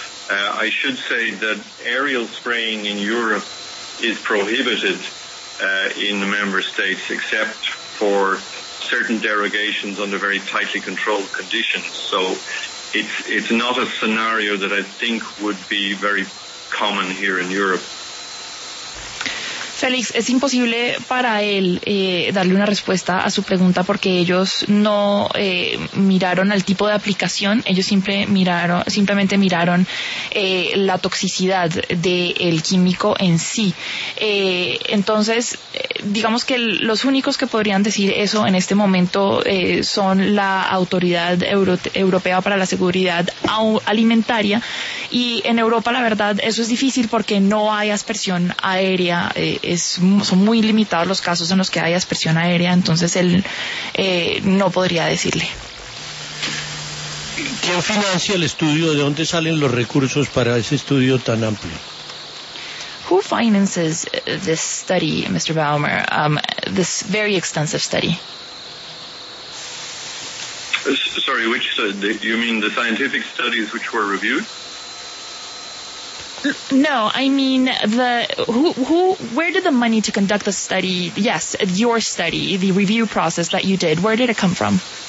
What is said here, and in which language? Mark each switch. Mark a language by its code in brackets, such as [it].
[en] I should say that aerial spraying in Europe is prohibited in the member states, except for certain derogations under very tightly controlled conditions. So it's not a scenario that I think would be very common here in Europe. [es] Félix, es imposible para él darle una respuesta a su pregunta, porque ellos no miraron al tipo de aplicación, ellos simplemente miraron la toxicidad del químico en sí. Entonces, digamos que los únicos que podrían decir eso en este momento son la Autoridad Europea para la Seguridad Alimentaria, y en Europa la verdad eso es difícil porque no hay aspersión aérea, son muy limitados los casos en los que hay aspersión aérea, entonces él no podría decirle. ¿Quién financia el estudio? ¿De dónde salen los recursos para ese estudio tan amplio? [en] Who finances this study, Mr. Baumer, this very extensive study? Sorry, which study? You mean the scientific studies which were reviewed? No, I mean where did the money to conduct the study, yes, your study, the review process that you did, where did it come from?